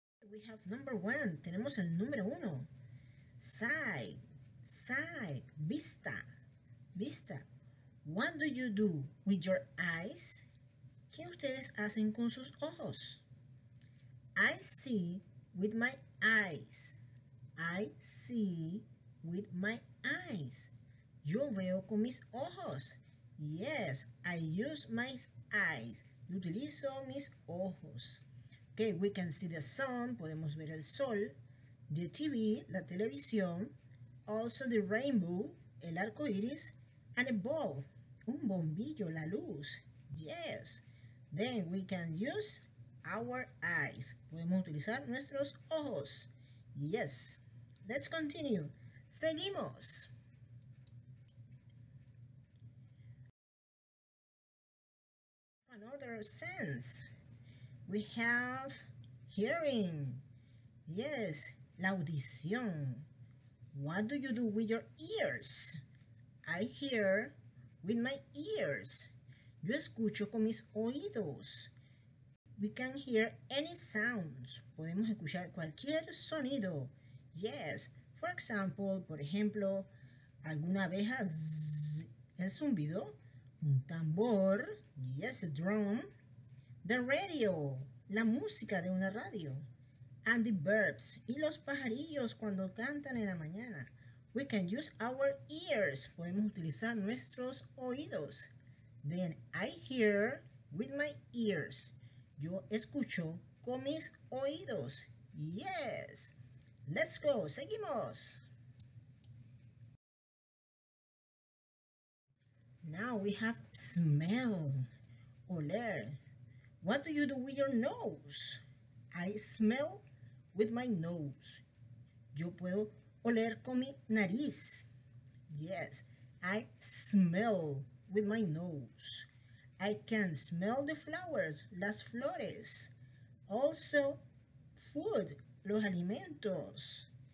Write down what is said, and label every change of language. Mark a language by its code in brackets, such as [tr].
[en] We have number one, [es] tenemos el número uno. [en] Sight, sight, [es] vista, vista. [en] What do you do with your eyes? [es] ¿Qué ustedes hacen con sus ojos? [en] I see with my eyes. I see with my eyes. [es] Yo veo con mis ojos. [en] Yes, I use my eyes. [es] Yo utilizo mis ojos. [en] Okay, we can see the sun, [es] podemos ver el sol, [en] the TV, [es] la televisión, [en] also the rainbow, [es] el arco iris, [en] and a bulb, [es] un bombillo, la luz. [en] Yes, then we can use our eyes, [es] podemos utilizar nuestros ojos. [en] Yes, let's continue, [es] seguimos. [en] Another sense. We have hearing. [es] Yes, la audición. [en] What do you do with your ears? I hear with my ears. [es] Yo escucho con mis oídos. [en] We can hear any sounds. [es] Podemos escuchar cualquier sonido. [en] Yes, for example, [es] por ejemplo, alguna abeja, zzz, el zumbido, un tambor, [en] yes, a drum, the radio, [es] la música de una radio, [en] and the birds, [es] y los pajarillos cuando cantan en la mañana. [en] We can use our ears, [es] podemos utilizar nuestros oídos. [en] Then I hear with my ears, [es] yo escucho con mis oídos. [en] Yes, let's go, [es] seguimos. [en] Now we have smell, [es] oler. [en] What do you do with your nose? I smell with my nose. [es] Yo puedo oler con mi nariz. [en] Yes, I smell with my nose. I can smell the flowers, [es] las flores. [en] Also, food, [es] los alimentos.